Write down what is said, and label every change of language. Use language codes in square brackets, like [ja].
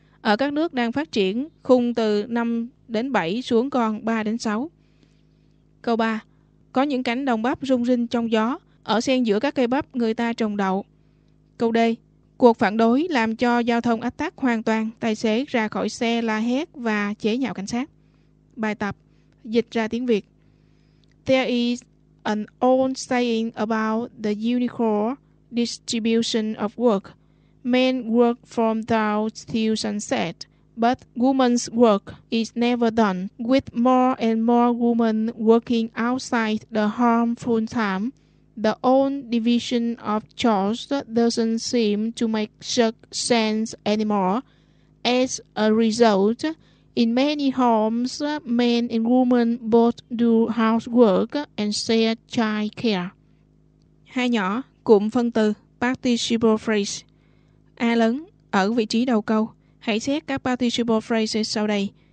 [vi] Ở các nước đang phát triển, khung từ 5 đến 7 xuống còn 3 đến 6. Câu 3. Có những cánh đồng bắp rung rinh trong gió, ở xen giữa các cây bắp người ta trồng đậu. Câu D. Cuộc phản đối làm cho giao thông ách tắc hoàn toàn, tài xế ra khỏi xe la hét và chế nhạo cảnh sát. Bài tập dịch ra tiếng Việt. [en] There is an old saying about the unequal distribution of work. Men work from dawn till sunset, but women's work is never done, with more and more women working outside the home full time. The old division of chores doesn't seem to make such sense anymore. As a result, in many homes, men and women both do housework and share child care. [vi] Hai nhỏ, cụm phân từ, participle phrase. A lớn, ở vị trí đầu câu. Hãy xét các participle phrases sau đây.